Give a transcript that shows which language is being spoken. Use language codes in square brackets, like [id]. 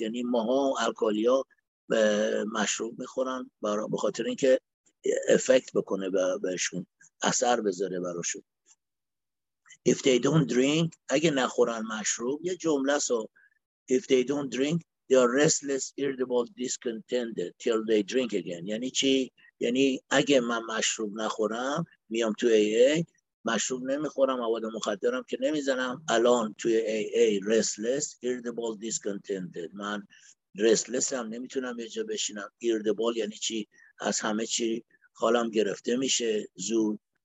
[fa] یعنی ماها الکلیا مشروب میخورن برای بخاطر اینکه افکت بکنه بهشون، اثر بذاره براشون. [en] If they don't drink، [fa] اگه نخورن مشروب، یه جمله است. [en] If they don't drink they are restless irritable discontented till they drink again. [fa] یعنی چی؟ یعنی اگه من مشروب نخورم میام توی AA، مشروب نمیخورم، مواد مخدرم که نمیزنم، الان توی AA [en] restless irritable discontented، [fa] من restlessم، نمیتونم یه جا بشینم. irritable یعنی چی؟ از همه چی حالم گرفته میشه زود.